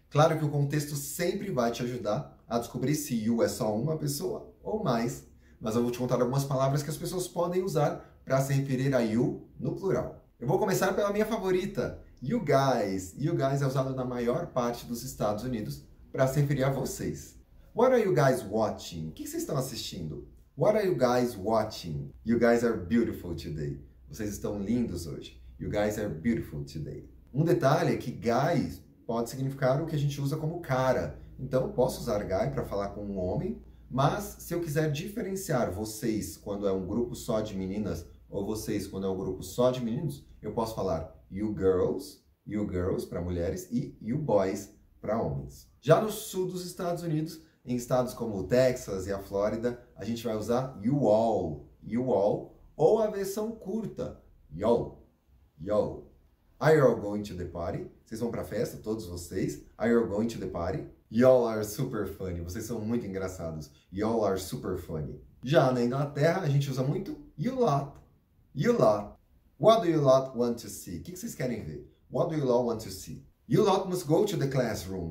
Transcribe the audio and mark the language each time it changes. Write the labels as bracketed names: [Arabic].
[Portuguese] Claro que o contexto sempre vai te ajudar a descobrir se you é só uma pessoa ou mais, mas eu vou te contar algumas palavras que as pessoas podem usar para se referir a you no plural. Eu vou começar pela minha favorita, you guys. You guys é usado na maior parte dos Estados Unidos para se referir a vocês. [English] What are you guys watching? [Portuguese] O que vocês estão assistindo? [English] What are you guys watching? You guys are beautiful today. [Portuguese] Vocês estão lindos hoje. [English] You guys are beautiful today. [Portuguese] Um detalhe é que guys pode significar o que a gente usa como cara. Então, eu posso usar guy para falar com um homem, mas se eu quiser diferenciar vocês quando é um grupo só de meninas ou vocês quando é um grupo só de meninos, eu posso falar you girls para mulheres e you boys para homens. Já no sul dos Estados Unidos, em estados como o Texas e a Flórida, a gente vai usar you all, ou a versão curta, y'all, y'all. [English] Are you all going to the party? [Portuguese] Vocês vão para a festa, todos vocês? [English] Are you all going to the party? Y'all are super funny. [Portuguese] Vocês são muito engraçados. [English] Y'all are super funny. [Portuguese] Já na Inglaterra, a gente usa muito you lot. [English] You lot. What do you lot want to see? [Portuguese] O que vocês querem ver? [English] What do you lot want to see? You lot must go to the classroom.